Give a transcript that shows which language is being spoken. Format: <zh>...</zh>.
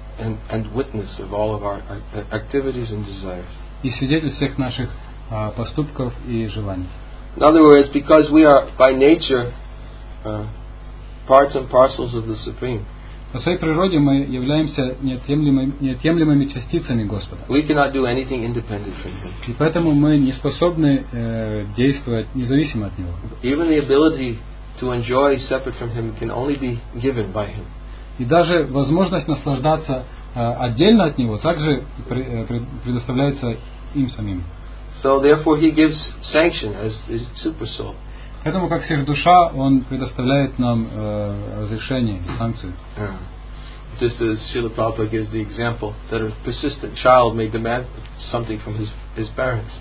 <en>And witness of all of our activities and desires.</en> <ru>И свидетель всех наших поступков и желаний.</ru> <en>In other words, because we are by nature parts and parcels of the Supreme.</en> <ru>По своей природе мы являемся неотъемлемыми частицами Господа.</ru> <en>We cannot do anything independent from Him.</en> <ru>И поэтому мы не способны действовать независимо от Него.</ru> <en>Even the ability to enjoy separate from Him can only be given by Him.</en> <ru>И даже возможность наслаждаться отдельно от Него также предоставляется им самим.</ru> <en>So therefore He gives sanction as His super soul.</en> <ru>Поэтому, как сверхдуша, он предоставляет нам разрешение и санкцию.</ru> <en>Just as Srila Prabhupada gives the example that a persistent child may demand something from his parents.</en>